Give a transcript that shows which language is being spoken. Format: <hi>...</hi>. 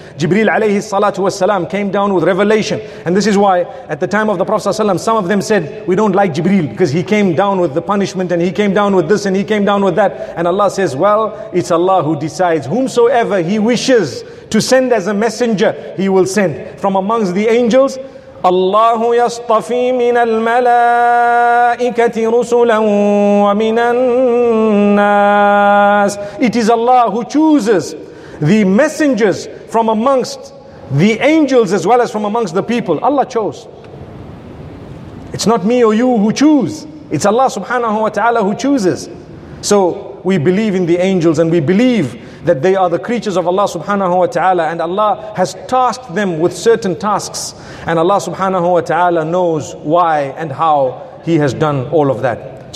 <en>Jibreel alayhi salatu wasalam came down with revelation. And this is why at the time of the Prophet sallallahu alayhi wasalam, some of them said, we don't like Jibreel, because he came down with the punishment, and he came down with this, and he came down with that. And Allah says, well, it's Allah who decides. Whomsoever He wishes to send as a messenger, He will send. From amongst the angels,</en> <ar>الله يصطفي من الملائكة رسلا ومن الناس.</ar> <en>It is Allah who chooses the messengers from amongst the angels as well as from amongst the people. Allah chose. It's not me or you who choose. It's Allah subhanahu wa ta'ala who chooses. So we believe in the angels, and we believe that they are the creatures of Allah subhanahu wa ta'ala, and Allah has tasked them with certain tasks, and Allah subhanahu wa ta'ala knows why and how He has done all of that.</en>